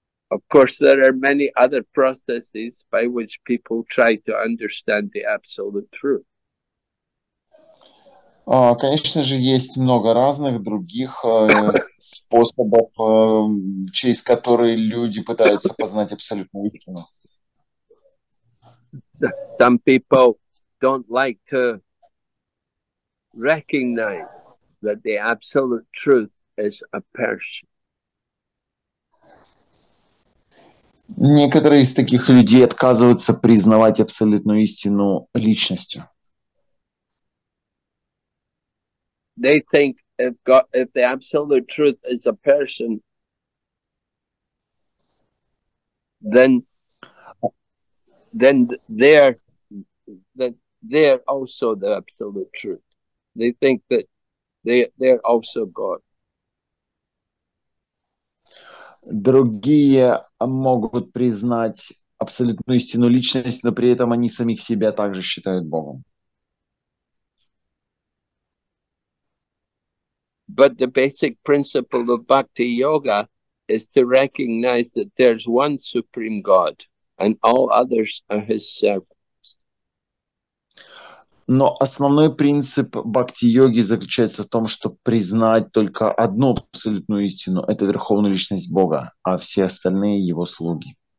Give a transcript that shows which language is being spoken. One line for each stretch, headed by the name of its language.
English: Of course, there are many other processes by which people try to understand the absolute truth.
Russian: Конечно же, есть много разных других способов, через которые люди пытаются познать абсолютную истину.
English: Some people don't like to recognize that the absolute truth is a person.
Russian: Некоторые из таких людей отказываются признавать абсолютную истину личностью.
English: They think if God, if the absolute truth is a person, then they're also the absolute truth. They think that they're also God.
Russian: Другие могут признать абсолютную истину личности, но при этом они самих себя также считают Богом.
English: But the basic principle of bhakti yoga is to recognize that there's one supreme God and all others are his servants.
Russian: Но основной принцип бхакти-йоги заключается в том, чтобы признать только одну абсолютную истину – это Верховная Личность Бога, а все остальные – его слуги.